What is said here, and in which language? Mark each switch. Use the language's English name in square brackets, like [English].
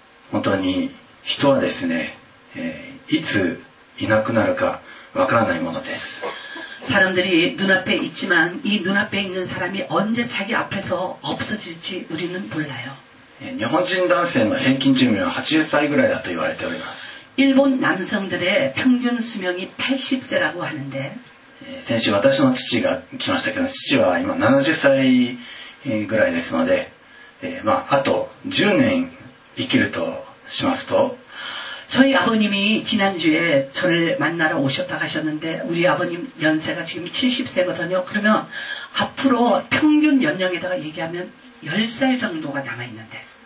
[Japanese] 本当に人はですね、いついなくなるかわからないものです [Korean] 사람들이눈앞에있지만이눈앞에있는사람이언제자기앞에서없어질지우리는몰라요 [Japanese] 日本人男性の平均寿命は80歳ぐらいだと言われております [Korean] 일본남성들의평균수명이80세라고하는데 [Japanese] 先週私の父が来ましたけど父は今70歳ぐらいですので、まあ、あと10年生きるとしますと [Korean] 저희아버님이지난주에저를만나러오셨다가셨는데우리아버님연세가지금70세거든요그러면앞으로평균연령에다가얘기하면10살정도가남아있는데